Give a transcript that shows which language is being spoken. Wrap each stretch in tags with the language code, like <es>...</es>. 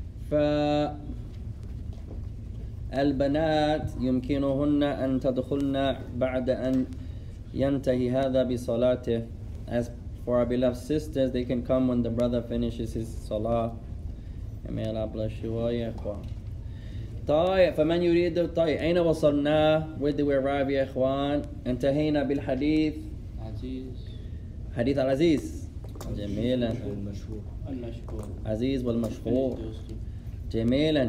<ar>فالبنات يمكنهن أن تدخلن بعد أن ينتهي هذا بصلاته.</ar> <en>As for our beloved sisters, they can come when the brother finishes his salah. And may Allah bless you all, يا إخوان.</en> <ar>طيب فمن يريد طيب أين وصلنا؟</ar> <en>Where did we arrive,</en> <ar>يا إخوان؟ انتهينا بالحديث. عزيز. حديث العزيز. جميلا المشهور عزيز والمشهور جميلا.</ar>